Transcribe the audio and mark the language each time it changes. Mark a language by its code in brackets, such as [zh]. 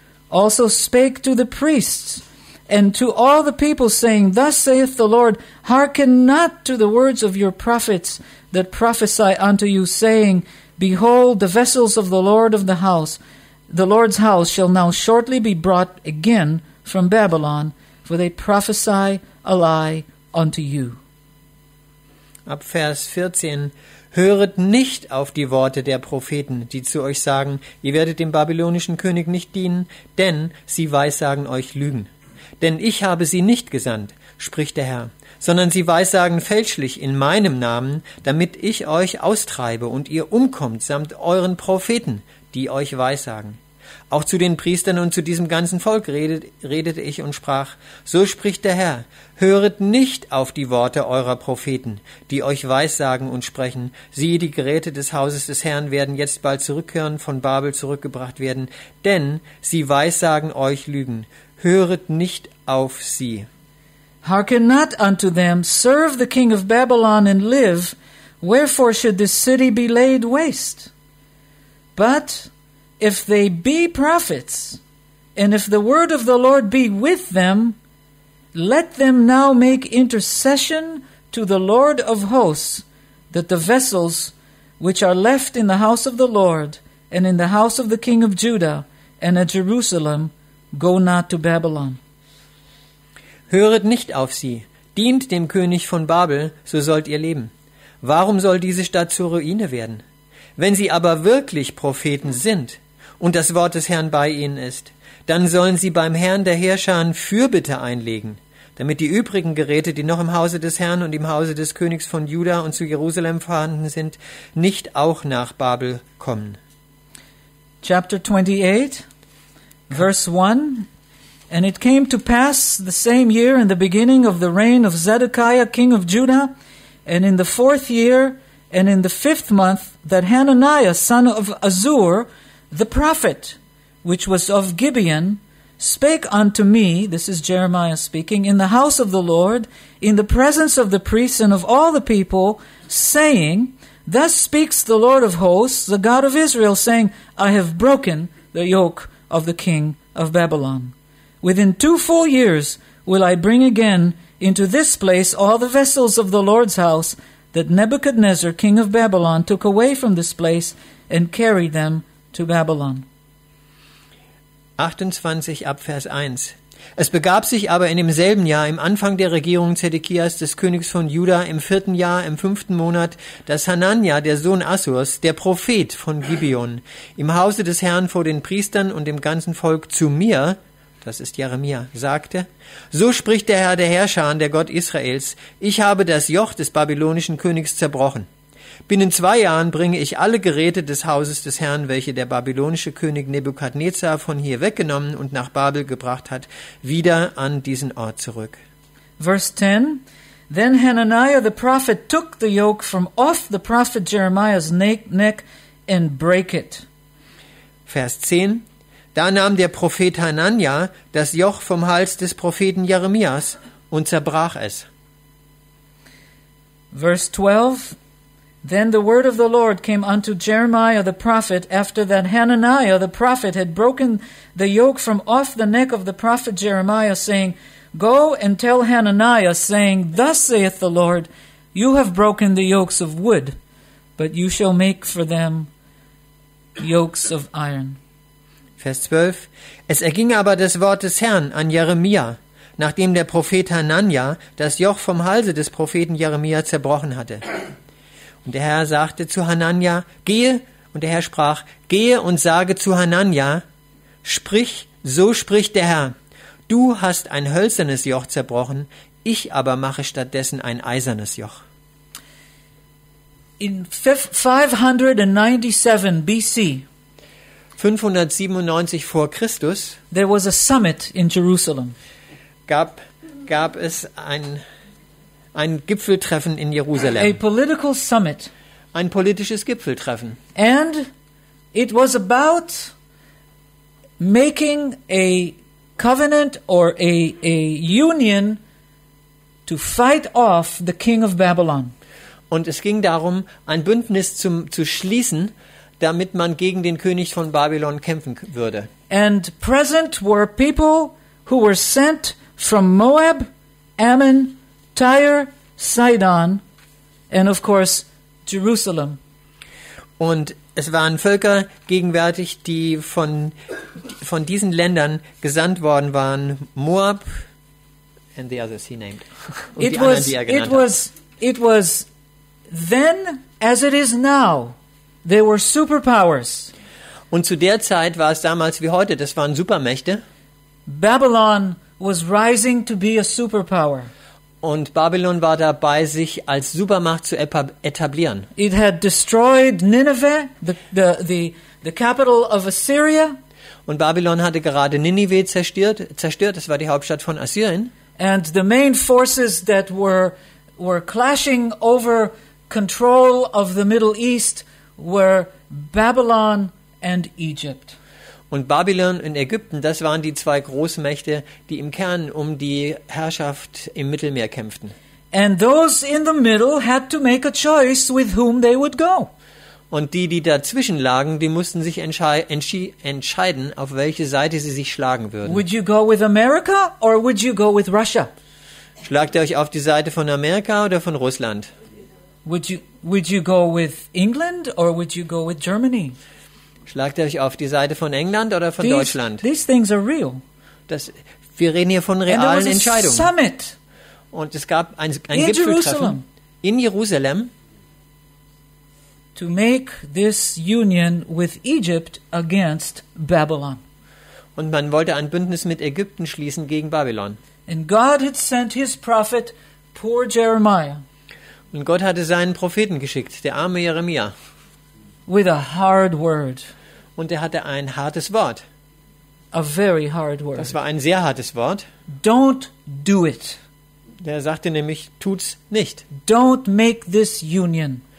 [en] Also spake to the priests and to all the people, saying, thus saith the Lord, hearken not to the words of your prophets that prophesy unto you, saying, behold, the vessels of the Lord of the house, the Lord's house, shall now shortly be brought again from Babylon, for they prophesy a lie unto you. [de] Ab Vers 14. Höret nicht auf die Worte der Propheten, die zu euch sagen, ihr werdet dem babylonischen König nicht dienen, denn sie weissagen euch Lügen. Denn ich habe sie nicht gesandt, spricht der Herr, sondern sie weissagen fälschlich in meinem Namen, damit ich euch austreibe und ihr umkommt samt euren Propheten, die euch weissagen. Auch zu den Priestern und zu diesem ganzen Volk redete ich und sprach, so spricht der Herr, höret nicht auf die Worte eurer Propheten, die euch weissagen und sprechen, siehe, die Geräte des Hauses des Herrn werden jetzt bald zurückkehren, von Babel zurückgebracht werden, denn sie weissagen euch Lügen, höret nicht auf sie. [en] Hearken not unto them, serve the king of Babylon and live, wherefore should this city be laid waste? But if they be prophets, and if the word of the Lord be with them, let them now make intercession to the Lord of hosts, that the vessels which are left in the house of the Lord, and in the house of the king of Judah, and at Jerusalem, go not to Babylon. [de] Höret nicht auf sie, dient dem König von Babel, so sollt ihr leben. Warum soll diese Stadt zur Ruine werden? Wenn sie aber wirklich Propheten sind, und das Wort des Herrn bei ihnen ist, dann sollen sie beim Herrn der Heerscharen Fürbitte einlegen, damit die übrigen Geräte, die noch im Hause des Herrn und im Hause des Königs von Juda und zu Jerusalem vorhanden sind, nicht auch nach Babel kommen. [en] Chapter 28, verse 1. And it came to pass the same year in the beginning of the reign of Zedekiah, king of Judah, and in the fourth year and in the fifth month, that Hananiah, son of Azur, the prophet, which was of Gibeon, spake unto me, this is Jeremiah speaking, in the house of the Lord, in the presence of the priests and of all the people, saying, thus speaks the Lord of hosts, the God of Israel, saying, I have broken the yoke of the king of Babylon. Within 2 full years will I bring again into this place all the vessels of the Lord's house that Nebuchadnezzar, king of Babylon, took away from this place and carried them to Babylon. [de] 28 ab Vers 1. Es begab sich aber in demselben Jahr, im Anfang der Regierung Zedekias des Königs von Juda, im vierten Jahr, im fünften Monat, dass Hanania, der Sohn Assurs, der Prophet von Gibeon, im Hause des Herrn vor den Priestern und dem ganzen Volk zu mir, das ist Jeremia, sagte, so spricht der Herr der Herrscharen, der Gott Israels, ich habe das Joch des babylonischen Königs zerbrochen. Binnen 2 Jahren bringe ich alle Geräte des Hauses des Herrn, welche der babylonische König Nebukadnezar von hier weggenommen und nach Babel gebracht hat, wieder an diesen Ort zurück. [en] Verse 10. Then Hananiah the prophet took the yoke from off the prophet Jeremiah's neck and brake it. [de] Vers 10. Da nahm der Prophet Hanania das Joch vom Hals des Propheten Jeremias und zerbrach es. [en] Verse 12. Then the word of the Lord came unto Jeremiah the prophet, after that Hananiah the prophet had broken the yoke from off the neck of the prophet Jeremiah, saying, go and tell Hananiah, saying, thus saith the Lord, you have broken the yokes of wood, but you shall make for them yokes of iron. [de] Vers 12. Es erging aber das Wort des Herrn an Jeremia, nachdem der Prophet Hananiah das Joch vom Halse des Propheten Jeremia zerbrochen hatte. Und der Herr sagte zu Hananiah, gehe, und der Herr sprach, gehe und sage zu Hananiah, sprich, so spricht der Herr, du hast ein hölzernes Joch zerbrochen, ich aber mache stattdessen ein eisernes Joch. [en] In 597 BC, [de] 597 vor Christus, [en] there was a summit in Jerusalem. [de] Gab es ein Gipfeltreffen in Jerusalem. [en] A political summit. [de] Ein politisches Gipfeltreffen. [en] And it was about making a covenant or a union to fight off the king of Babylon. [de] Und es ging darum, ein Bündnis zu schließen, damit man gegen den König von Babylon kämpfen würde. [en] And present were people who were sent from Moab, Ammon, Tyre, Sidon, and of course Jerusalem. [de] Und es waren Völker gegenwärtig, die von diesen Ländern gesandt worden waren. [en] Moab and the others he named. It was then, as it is now, they were superpowers. [de] Und zu der Zeit war es damals wie heute, das waren Supermächte. [en] Babylon was rising to be a superpower. [de] Und Babylon war dabei, sich als Supermacht zu etablieren. [en] It had destroyed Nineveh, the capital of Assyria. [de] Und Babylon hatte gerade Ninive zerstört, das war die Hauptstadt von Assyrien. [en] And the main forces that were clashing over control of the Middle East were Babylon and Egypt. [de] Und Babylon und Ägypten, das waren die zwei Großmächte, die im Kern um die Herrschaft im Mittelmeer kämpften. [en] And those in the middle had to make a choice with whom they would go. [de] Und die dazwischen lagen, die mussten sich entscheiden, auf welche Seite sie sich schlagen würden. [en] Would you go with America or would you go with Russia? [de] Schlagt ihr euch auf die Seite von Amerika oder von Russland? [en] Would you go with England or would you go with Germany? [de] Schlagt ihr euch auf die Seite von England oder von Deutschland? [en] These things are real. [de] Wir reden hier von realen Entscheidungen. [en] And there was a summit. [de] Und es gab ein Gipfeltreffen in Jerusalem. [en] To make this union with Egypt against Babylon. [de] Und man wollte ein Bündnis mit Ägypten schließen gegen Babylon. [en] And God had sent his prophet, poor Jeremiah. [de] Und Gott hatte seinen Propheten geschickt, der arme Jeremia. [en] With a hard word. [de] Und er hatte ein hartes Wort. [en] A very hard word. [de] Das war ein sehr hartes Wort. [en] Don't do it. [de] Der sagte nämlich, tut's nicht. [en] Don't make this union.